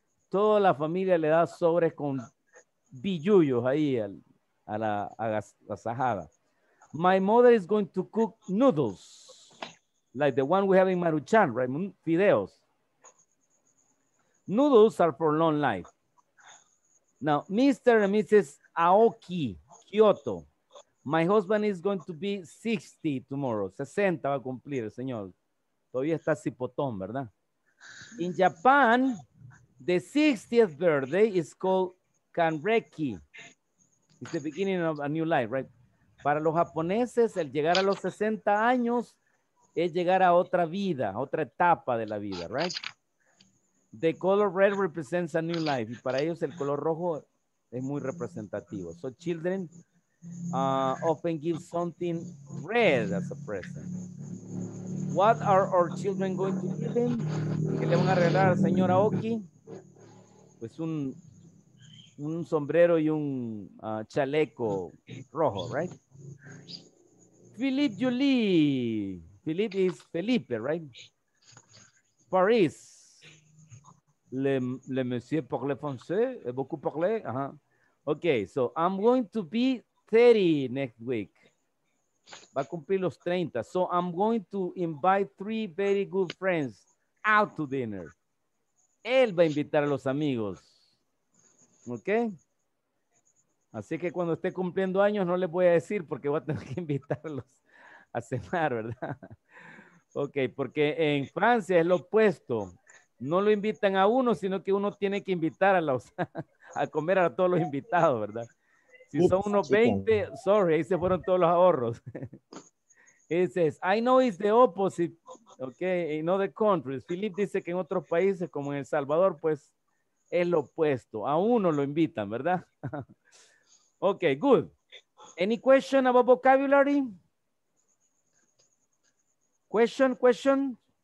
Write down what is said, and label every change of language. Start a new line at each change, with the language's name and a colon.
Spanish: Toda la familia le da sobres con billullos ahí a la sajada.
English: My mother is going to cook noodles. Like the one we have in Maruchan, right? Fideos. Noodles are for long life. Now, Mr. and Mrs. Aoki, Kyoto. My husband is going to be 60 tomorrow.
Spanish: 60 va a cumplir, señor. Todavía está cipotón, ¿verdad?
English: In Japan, the 60th birthday is called Kanreki. It's the beginning of a new life, right?
Spanish: Para los japoneses, el llegar a los 60 años es llegar a otra vida, otra etapa de la vida, right?
English: The color red represents a new life.
Spanish: Y para ellos el color rojo es muy representativo.
English: So children often give something red as a present. What are our children going to give him?
Spanish: ¿Qué le van a regalar a la señora Oki? Pues un sombrero y un chaleco rojo, right?
English: Philippe Julie. Philippe is Felipe, right? Paris.
French: Le monsieur parle français, beaucoup parle.
English: Okay, so I'm going to be 30 next week.
Spanish: Va a cumplir los 30.
English: So I'm going to invite 3 very good friends out to dinner.
Spanish: Él va a invitar a los amigos. Okay? Así que cuando esté cumpliendo años no les voy a decir porque voy a tener que invitarlos a cenar, ¿verdad? Okay, porque en Francia es lo opuesto. No lo invitan a uno, sino que uno tiene que invitar a los a comer a todos los invitados, ¿verdad? Si son unos 20, sorry, ahí se fueron todos los ahorros.
English: It says, I know it's the opposite, okay, in other countries.
Spanish: Philip dice que en otros países, como en El Salvador, pues, es lo opuesto. A uno lo invitan, ¿verdad? Okay, good.
English: Any question about vocabulary? Question?